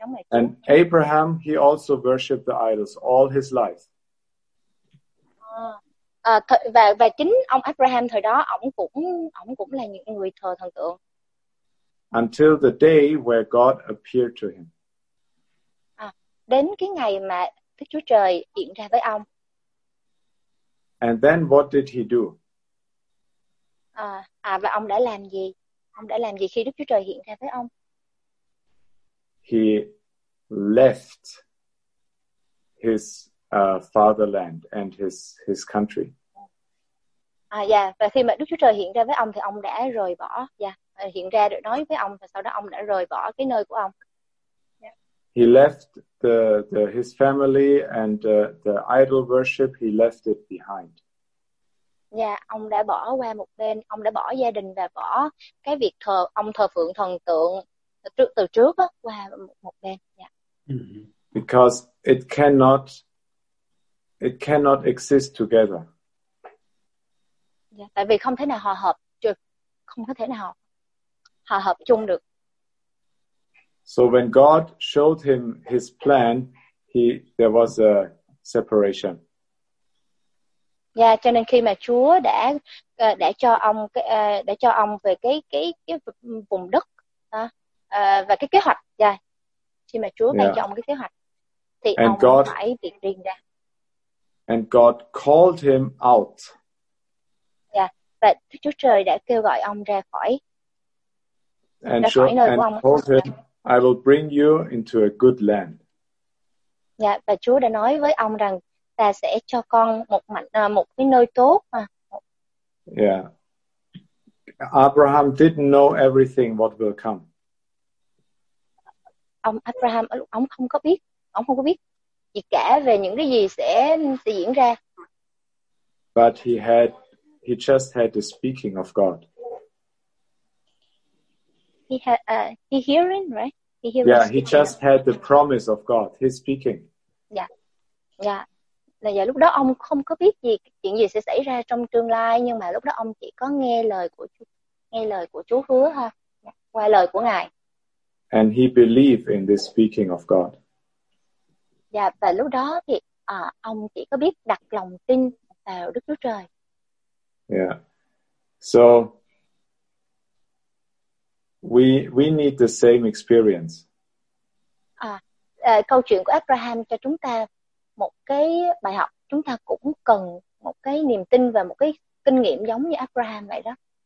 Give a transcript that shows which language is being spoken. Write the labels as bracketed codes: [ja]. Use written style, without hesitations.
[en] And Abraham, he also worshipped the idols all his life. [vi] và chính ông Abraham thời đó ổng cũng là những người thờ thần tượng. [en] Until the day where God appeared to him. [vi] À, đến cái ngày mà Đức Chúa Trời hiện ra với ông. [en] And then what did he do? [vi] Và ông đã làm gì? Ông đã làm gì khi Đức Chúa Trời hiện ra với ông? [en] He left his fatherland and his country. [vi] Và khi mà Đức Chúa Trời hiện ra với ông thì ông đã rời bỏ, hiện ra để nói với ông và sau đó ông đã rời bỏ cái nơi của ông. [en] He left the his family and the idol worship, he left it behind. [vi] Ông đã bỏ qua một bên, ông đã bỏ gia đình và bỏ cái việc thờ ông thờ phượng thần tượng từ trước á qua một bên. [en] Because it cannot exist together. [vi] Tại vì không thể nào hòa hợp, không có thể nào hòa hợp chung được. [en] So when God showed him his plan, there was a separation. [vi] Cho nên khi mà Chúa đã cho ông về cái vùng đất và cái kế hoạch, khi mà Chúa ban cho ông cái kế hoạch thì [en] and [vi] ông [en] God, [vi] phải việc riêng ra. [en] And God called him out. [vi] Và Chúa Trời đã kêu gọi ông ra khỏi nơi của ông. [en] Told him, I will bring you into a good land. [vi] Và Chúa đã nói với ông rằng ta sẽ cho con một cái nơi tốt. [en] Abraham didn't know everything what will come. [vi] Ông Abraham ông không có biết gì cả về những cái gì sẽ diễn ra. [en] But he just had the speaking of God. He just had the promise of God, his speaking. [vi] Lúc đó ông không có biết gì chuyện gì sẽ xảy ra trong tương lai, nhưng mà lúc đó ông chỉ có nghe lời của Chúa hứa ha, qua lời của Ngài. [en] And he believed in this speaking of God. [vi] Và lúc đó thì ông chỉ có biết đặt lòng tin vào Đức Chúa Trời. [en] So we need the same experience. [vi] Câu chuyện của Abraham cho chúng ta một cái bài học, chúng ta cũng cần một cái niềm tin và một cái kinh nghiệm giống như Abraham vậy đó.